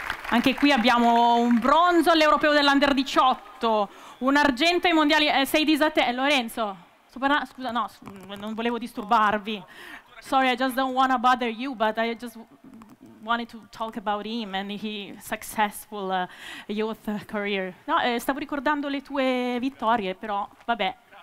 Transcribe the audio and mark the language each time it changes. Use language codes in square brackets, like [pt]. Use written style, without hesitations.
[it] Anche qui abbiamo un bronzo all'Europeo dell'Under 18, un argento ai mondiali, sei disatte... Lorenzo, scusa, no, non volevo disturbarvi. [en] Sorry, I just don't want to bother you, but I just wanted to talk about him and his successful youth career. [it] No, stavo ricordando le tue vittorie, però vabbè.